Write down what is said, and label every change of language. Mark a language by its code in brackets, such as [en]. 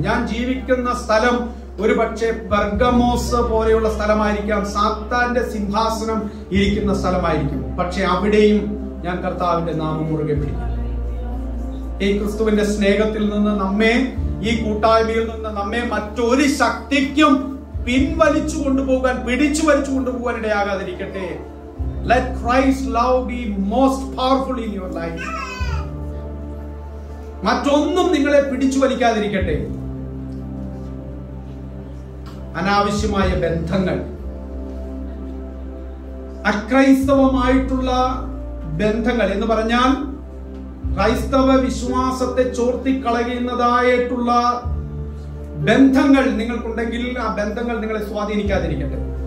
[ml] ഞാൻ ജീവിക്കുന്ന സ്ഥലം ഒരു പക്ഷേ ബർഗമോസ് പോലെയുള്ള സ്ഥലമായിരിക്കാം, സാത്താന്റെ സിംഹാസനം ഇരിക്കുന്ന സ്ഥലമായിരിക്കും. പക്ഷെ അവിടെയും ഞാൻ കർത്താവിന്റെ നാമം മുറുകെ പിടിക്കും. ഈ ക്രിസ്തുവിന്റെ സ്നേഹത്തിൽ നിന്ന് നമ്മെ, ഈ കൂട്ടായ്മയിൽ നിന്ന് നമ്മെ മറ്റൊരു ശക്തിക്കും പിൻവലിച്ചു കൊണ്ടുപോകാൻ, പിടിച്ചു വലിച്ചു കൊണ്ടുപോകാൻ ഇടയാകാതിരിക്കട്ടെ. [en] Let Christ's love be most powerful in your life. [ml] മറ്റൊന്നും നിങ്ങളെ പിടിച്ചു വലിക്കാതിരിക്കട്ടെ. അനാവശ്യമായ ബന്ധങ്ങൾ, അക്രൈസ്തവമായിട്ടുള്ള ബന്ധങ്ങൾ എന്ന് പറഞ്ഞാൽ ക്രൈസ്തവ വിശ്വാസത്തെ ചോർത്തിക്കളയുന്നതായിട്ടുള്ള ബന്ധങ്ങൾ നിങ്ങൾക്കുണ്ടെങ്കിൽ ആ ബന്ധങ്ങൾ നിങ്ങളെ സ്വാധീനിക്കാതിരിക്കട്ടെ.